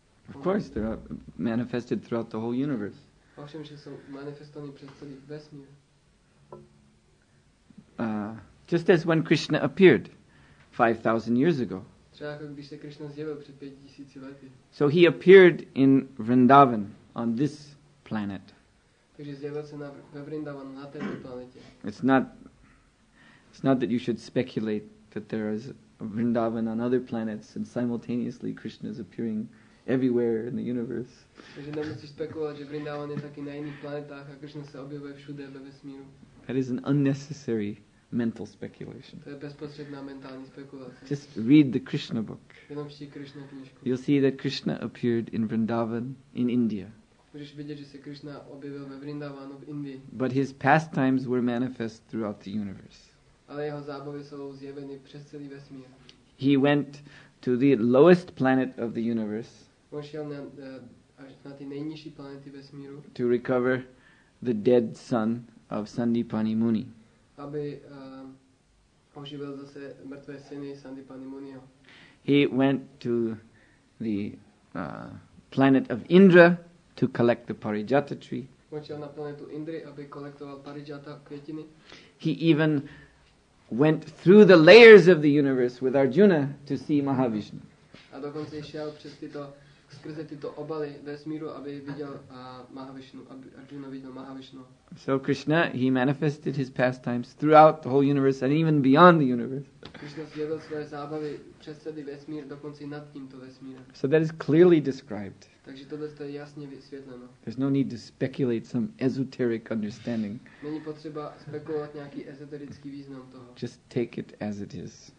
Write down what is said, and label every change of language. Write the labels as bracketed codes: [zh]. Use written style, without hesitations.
[en] Of course, they are manifested throughout the whole universe. [cs] Ovšem, že jsou manifestovány přes celý vesmír. [en] Just as when Krishna appeared 5,000 years ago. [cs] Třeba jako když se Krishna zjevil před 5,000 lety. [en] So he appeared in Vrindavan on this planet. [cs] Takže zjevil se ve Vrindavan na této planetě. [en] It's not that you should speculate that there is Vrindavan on other planets and simultaneously Krishna is appearing everywhere in the universe. [cs] Takže nemusíš spekulovat, že Vrindavan je taky na jiných planetách a Krishna se objevuje všude ve vesmíru. [en] That is an unnecessary mental speculation. [cs] To je bezpotřebná mentální spekulace. [en] Just read the Krishna book. [cs] Jenom čti Krishna knížku. [en] You'll see that Krishna appeared in Vrindavan in India. [cs] Můžeš vidět, že se Krishna objevil ve Vrindavanu v Indii. [en] But his pastimes were manifest throughout the universe. [cs] Ale jeho zábavy jsou zjeveny přes celý vesmír. [en] He went to the lowest planet of the universe. [cs] On šel až na ty nejnižší planety vesmíru. [en] To recover the dead son of Sandipani Muni. [cs] Aby oživil zase mrtvé syny Sandipani Muniho. [en] He went to the planet of Indra to collect the Parijata tree. [cs] On šel na planetu Indry, aby kolektoval Parijata květiny. [en] He even went through the layers of the universe with Arjuna to see Mahavishnu. [cs] A dokonce šel přes tyto skrze tyto obaly vesmíru, aby viděl Mahavishnu, aby Arjuna viděl Mahavishnu. [en] So Krishna, he manifested his pastimes throughout the whole universe and even beyond the universe. [cs] Krishna zjevil své zábavy přes celý vesmír, dokonce nad tímto vesmírem. [en] So that is clearly described. [cs] Takže tohle je jasně vysvětleno. [en] There's no need to speculate some esoteric understanding. [cs] Není potřeba spekulovat nějaký esoterický význam toho. [en] Just take it as it is.